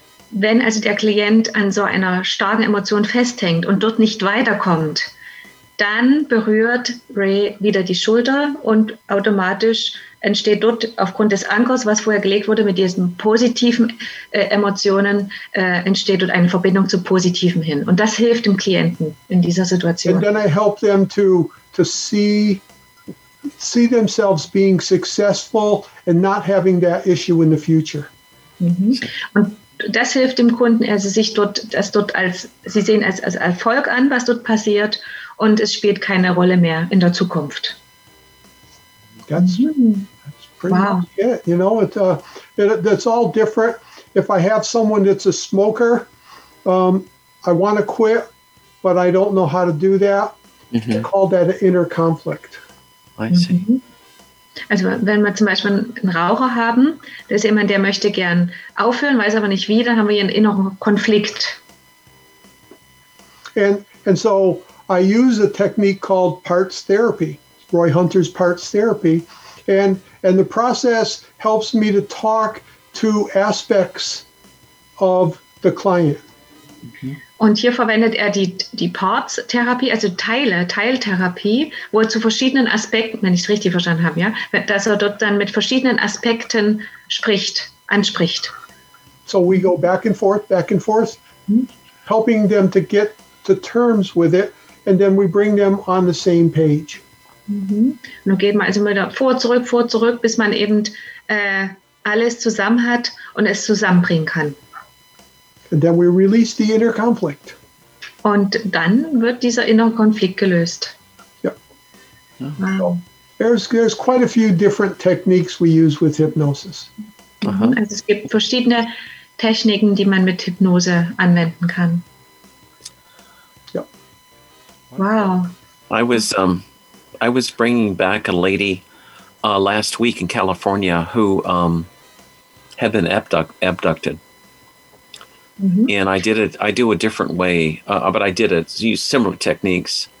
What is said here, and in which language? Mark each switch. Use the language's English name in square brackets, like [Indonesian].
[German] Wenn also der Klient an so einer starken Emotion festhängt und dort nicht weiterkommt, dann berührt Ray wieder die Schulter und automatisch entsteht dort aufgrund des Ankers, was vorher gelegt wurde, mit diesen positiven Emotionen, entsteht dort eine Verbindung zu Positiven hin. Und das hilft dem Klienten in dieser Situation. [English] And then I help them to see themselves being successful and not having that issue in the future. Mm-hmm. [German] Und das hilft dem Kunden, also sich dort, das dort als, sie sehen als Erfolg an, was dort passiert, und es spielt keine Rolle mehr in der Zukunft. [English] That's pretty wow. Much it. You know, it's all different. If I have someone that's a smoker, I want to quit, but I don't know how to do that. Mm-hmm. I call that an inner conflict. I see. Mm-hmm. [German] Also wenn wir zum Beispiel einen Raucher haben, das ist jemand, der möchte gern aufhören, weiß aber nicht wie, dann haben wir hier einen inneren Konflikt. [English] And so I use a technique called Parts Therapy, Roy Hunter's Parts Therapy, and the process helps me to talk to aspects of the client. [German] Und hier verwendet er die Parts-Therapie, also Teiltherapie, wo er zu verschiedenen Aspekten, wenn ich es richtig verstanden habe, ja, dass er dort dann mit verschiedenen Aspekten anspricht. [English] So we go back and forth, helping them to get to terms with it, and then we bring them on the same page. Mhm. [German] Dann geht man also wieder vor, zurück, bis man eben alles zusammen hat und es zusammenbringen kann. [English] And then we release the inner conflict. [German] Und dann wird dieser innere Konflikt gelöst. [English] Yeah. Uh-huh. So there's quite a few different techniques we use with hypnosis. Uh-huh. [German] Also es gibt verschiedene Techniken, die man mit Hypnose anwenden kann. [English] Yeah. Wow. I was bringing back a lady last week in California who had been abducted. Mm-hmm. And I did it. I do a different way, but I did it. Use similar techniques.